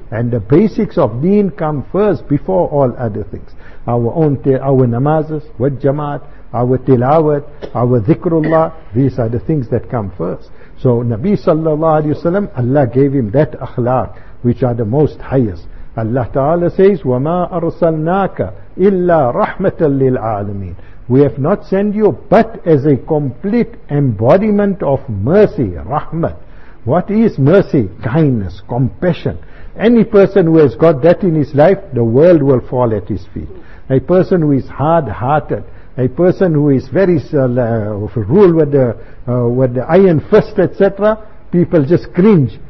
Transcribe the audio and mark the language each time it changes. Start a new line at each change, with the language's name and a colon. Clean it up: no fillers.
English: And the basics of deen come first before all other things. Our namazes, wal jamaat, our tilawat, our dhikrullah, these are the things that come first. So Nabi sallallahu alayhi wa sallam, Allah gave him that akhlaq, which are the most highest. Allah ta'ala says,
Arabic: وَمَا أَرْسَلْنَاكَ إِلَّا رَحْمَةً لِلْعَالَمِينَ.
English: We have not sent you but as a complete embodiment of mercy, rahmat. What is mercy? Kindness, compassion. Any person who has got that in his life, the world will fall at his feet. A person who is hard-hearted, a person who is very ruled with the iron fist, etc., people just cringe.